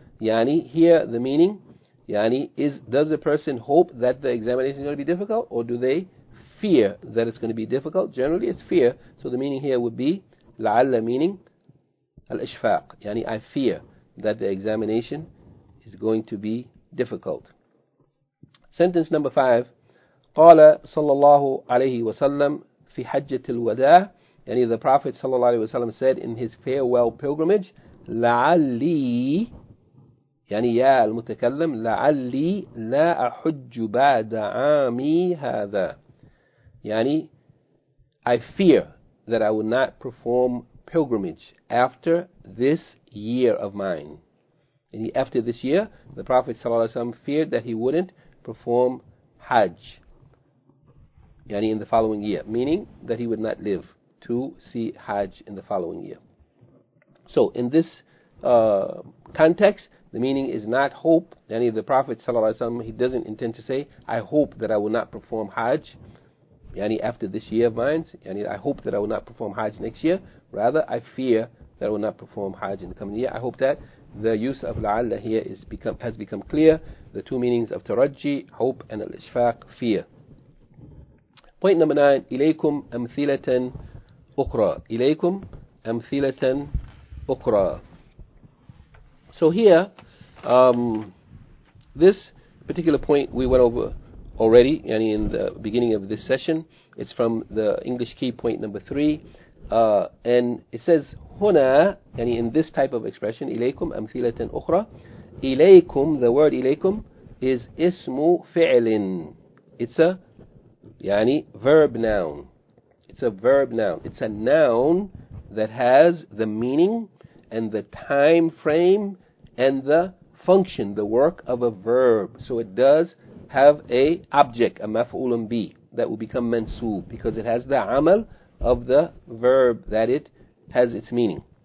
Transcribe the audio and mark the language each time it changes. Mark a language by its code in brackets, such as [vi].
[en] يعني here the meaning, يعني is, does the person hope that the examination is going to be difficult, or do they fear that it's going to be difficult? Generally it's fear. So the meaning here would be لعل, meaning الاشفاق, يعني I fear that the examination is going to be difficult. Sentence number 5. [ar] قال صلى الله عليه وسلم في حجة الوداع, يعني [en] the Prophet [ar] صلى الله عليه وسلم [en] said in his farewell pilgrimage, [ar] لعلي, يعني يا المتكلم, لعلي لا أحج بعد عامي هذا, يعني [en] I fear that I will not perform pilgrimage after this year of mine. And after this year, the Prophet [ar] صلى الله عليه وسلم [en] feared that he wouldn't perform Hajj, يعني in the following year, meaning that he would not live to see Hajj in the following year. So in this context, the meaning is not hope. يعني the Prophet sallallahu alaihi wasallam, he doesn't intend to say, I hope that I will not perform Hajj, يعني after this year of mine, يعني I hope that I will not perform Hajj next year. Rather, I fear that I will not perform Hajj in the coming year. I hope that the use of la'alla here has become clear. The two meanings of taraji, hope, and al-ishfaq, fear. Point number 9, [ar] إليكم أمثلة أخرى. إليكم أمثلة أخرى. [en] So here, this particular point we went over already, yani in the beginning of this session. It's from the English key, point number 3. And it says, هنا, yani in this type of expression, [ar] إليكم أمثلة أخرى. إليكم, [en] the word [ar] إليكم, is اسم فعل. [en] It's a yani verb noun. It's a verb noun. It's a noun that has the meaning and the time frame and the function, the work of a verb. So it does have a object, a maf'ulun bi, that will become mansub because it has the amal of the verb that it has its meaning.